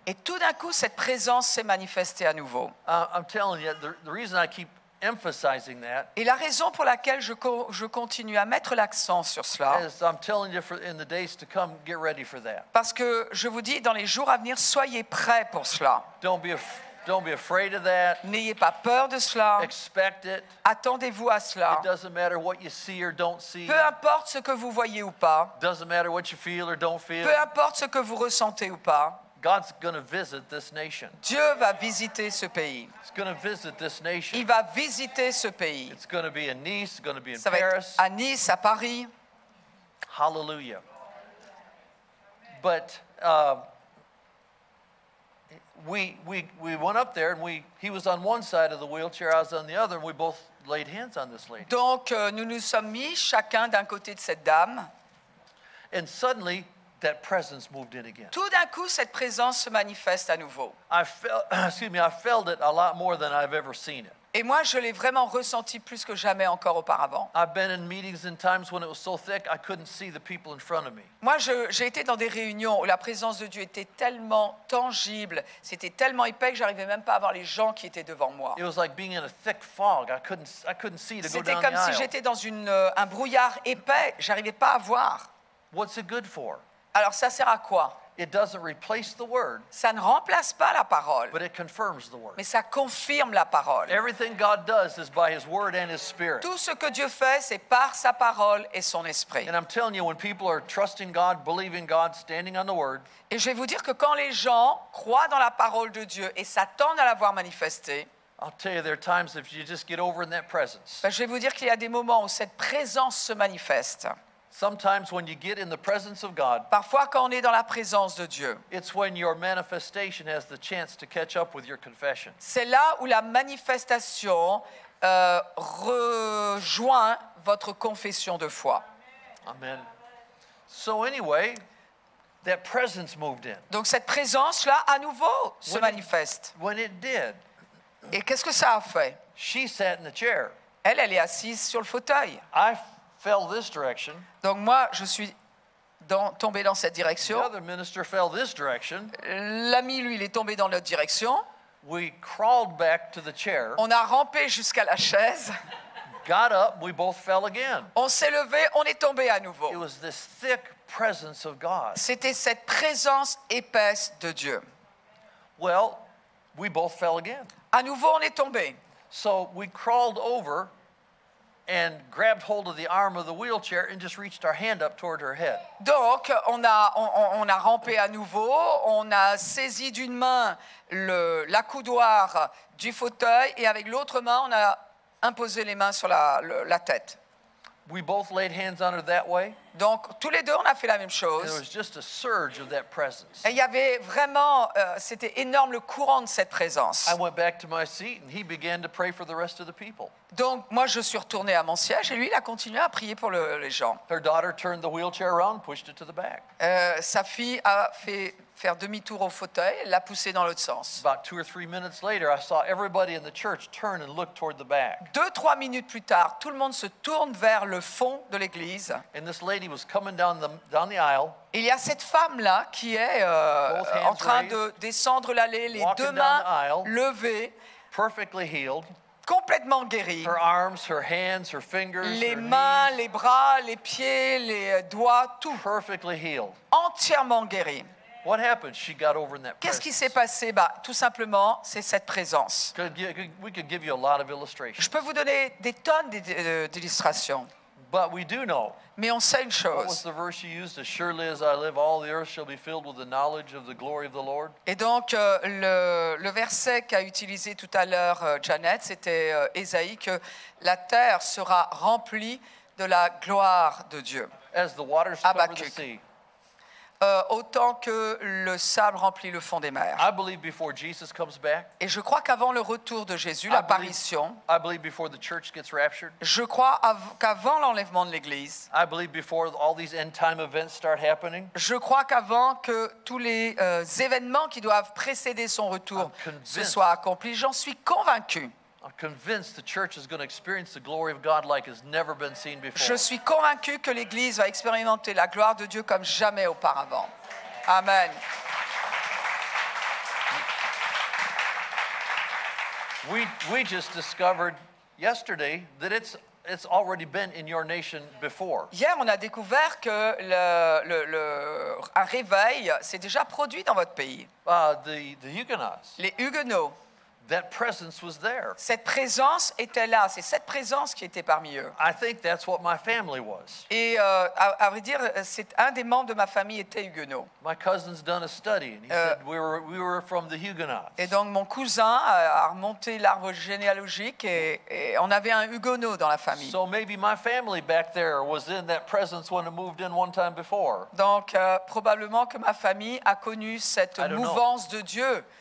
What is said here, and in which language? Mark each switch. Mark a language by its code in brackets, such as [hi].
[fr] Et tout d'un coup, cette présence s'est manifestée à nouveau. [en] I'm telling you, the reason I keep emphasizing that. [fr] Et la raison pour laquelle je continue à mettre l'accent sur cela. [en] I'm telling you, in the days to come, get ready for that. [fr] Parce que je vous dis, dans les jours à venir, soyez prêts pour cela. [en] Don't be afraid of that. [fr] N'ayez pas peur de cela. [en] Expect it. [fr] Attendez-vous à cela. [en] It doesn't matter what you see or don't see. [fr] Peu importe ce que vous voyez ou pas. [en] Doesn't matter what you feel or don't feel. [fr] Peu importe ce que vous ressentez ou pas. [en] God's going to visit this nation. [fr] Dieu va visiter ce pays. [en] He's going to visit this nation. [fr] Il va visiter ce pays. [en] It's going to be in Nice. It's going to be in [fr] Ça [en] Paris. [fr] Va être à Nice, à Paris. [en] Hallelujah. But we went up there and he was on one side of the wheelchair, I was on the other, and we both laid hands on this lady. [fr] Donc nous nous sommes mis chacun d'un côté de cette dame. [en] And suddenly that presence moved in again. [fr] Tout d'un coup cette présence se manifeste à nouveau. [en] I felt it a lot more than I've ever seen it. [fr] Et moi je l'ai vraiment ressenti plus que jamais encore auparavant. [en] I've been in meetings and times when it was so thick I couldn't see the people in front of me. [fr] Moi j'ai été dans des réunions où la présence de Dieu était tellement tangible, c'était tellement épais que j'arrivais même pas à voir les gens qui étaient devant moi. [en] It was like being in a thick fog. I couldn't see to go down the aisle. [fr] C'était comme si j'étais dans un brouillard épais, j'arrivais pas à voir. [en] What's it good for? [fr] Alors ça sert à quoi? [en] It doesn't replace the word. [fr] Ça ne remplace pas la parole. [en] But it confirms the word. [fr] Mais ça confirme la parole. [en] Everything God does is by His word and His spirit. [fr] Tout ce que Dieu fait, c'est par sa parole et son esprit. [en] And I'm telling you, when people are trusting God, believing God, standing on the word. [fr] Et je vais vous dire que quand les gens croient dans la parole de Dieu et s'attendent à la voir manifestée. [en] I'll tell you, there are times if you just get over in that presence. [fr] Ben, je vais vous dire qu'il y a des moments où cette présence se manifeste. [en] Sometimes when you get in the presence of God, [fr] parfois quand on est dans la présence de Dieu, [en] it's when your manifestation has the chance to catch up with your confession. [fr] C'est là où la manifestation rejoint votre confession de foi. [en] Amen. So anyway, that presence moved in. [fr] Donc cette présence là à nouveau se manifeste. [en] When it did. [fr] Et qu'est-ce que ça a fait? [en] She sat in the chair. [fr] Elle est assise sur le fauteuil. [en] Fell this direction. [fr] Donc moi, je suis tombé dans cette direction. [en] The other minister fell this direction. [fr] L'ami, lui, il est tombé dans l'autre direction. [en] We crawled back to the chair. [fr] On a rampé jusqu'à la chaise. [en] Got up, we both fell again. [fr] On s'est levé, on est tombé à nouveau. [en] It was this thick presence of God. [fr] C'était cette présence épaisse de Dieu. [en] Well, we both fell again. [fr] À nouveau, on est tombé. [en] So we crawled over. And grabbed hold of the arm of the wheelchair and just reached our hand up toward her head. [fr] Donc, on a rampé à nouveau. On a saisi d'une main l'accoudoir du fauteuil et avec l'autre main, on a imposé les mains sur la tête. [en] We both laid hands on her that way. [fr] Donc, tous les deux, on a fait la même chose. [en] There was just a surge of that presence. [fr] Et il y avait vraiment, c'était énorme le courant de cette présence. [en] I went back to my seat and he began to pray for the rest of the people. [fr] Donc, moi, je suis retourné à mon siège et lui, il a continué à prier pour les gens. [en] Her daughter turned the wheelchair around, pushed it to the back. [fr] Sa fille a fait faire demi-tour au fauteuil, l'a poussé dans l'autre sens. [en] About two or three minutes later, I saw everybody in the church turn and look toward the back. [fr] Deux, trois minutes plus tard, tout le monde se tourne vers le fond de l'église. [en] And this lady was coming down the aisle. [fr] Il y a cette femme-là qui est en train [en] raised, [fr] de descendre l'allée, les deux mains levées. [en] Perfectly healed. [fr] Complètement guérie. [en] Her arms, her hands, her fingers, [fr] les [en] her [fr] mains, [en] knees. [fr] Les bras, les pieds, les doigts, tout. [en] Perfectly healed. [fr] Entièrement guérie. [en] What happened? She got over in that presence. [fr] Qu'est-ce qui s'est passé? Bah, tout simplement, c'est cette présence. [en] We could give you a lot of illustrations. [fr] Je peux vous donner des tonnes d'illustrations. [en] But we do know. [fr] Mais on sait une chose. [en] What was the verse you used? As surely as I live, all the earth shall be filled with the knowledge of the glory of the Lord. [fr] Et donc le verset qu'a utilisé tout à l'heure Janet, c'était Ésaïe, que la terre sera remplie de la gloire de Dieu. [en] As the waters cover the sea. [fr] autant que le sable remplit le fond des mers. [en] I believe before Jesus comes back. [fr] Et je crois qu'avant le retour de Jésus, l'apparition. [en] I believe before the church gets raptured. [fr] Je crois qu'avant l'enlèvement de l'église. [en] I believe before all these end time events start happening. [fr] Je crois qu'avant que tous les événements qui doivent précéder son retour se soient accomplis, j'en suis convaincu. [en] I'm convinced the church is going to experience the glory of God like it's never been seen before. [fr] Je suis convaincu que l'église va expérimenter la gloire de Dieu comme jamais auparavant. [en] Amen. We just discovered yesterday that it's already been in your nation before. [fr] Hier, on a découvert que un réveil s'est déjà produit dans votre pays. [en] The Huguenots. [fr] Les Huguenots. [en] That presence was there. [fr] Cette présence était là. C'est cette présence qui était parmi eux. [en] I think that's what my family was. [fr] Et à vrai dire, c'est un des membres de ma famille était huguenot. [en] My cousin's done a study, and he said we were from the Huguenots. [fr] Et donc mon cousin a remonté l'arbre généalogique et on avait un huguenot dans la famille. [en] So maybe my family back there was in that presence when it moved in one time before. [fr] Donc probablement que ma famille a connu cette mouvance de Dieu.